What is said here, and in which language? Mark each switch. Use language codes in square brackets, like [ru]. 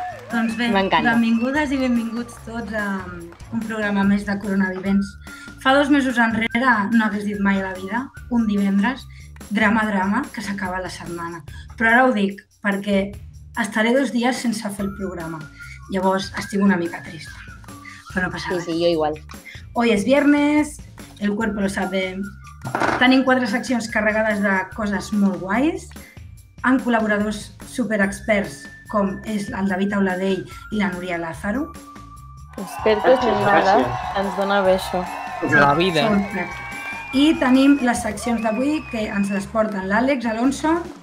[ca] Doncs bé, benvingudes i benvinguts tots a un programa més de Coronavivents. Fa dos mesos enrere no hagués dit mai a la vida, un divendres, drama, que s'acaba la setmana. Però ara ho dic, perquè estaré dos dies sense fer el programa. Llavors, estic una mica trista. Però no passa res. Sí, jo igual. [es] Hoy es viernes, el cuerpo lo sabe. [ca] Tenim quatre seccions carregades de coses molt guais, amb col·laboradors superexperts, com és el David Auladell i la Núria Lázaro. [es] Expertos en nada, [ca] ens dona bé això. La vida. I tenim les seccions d'avui que ens les porten l'Àlex Alonso.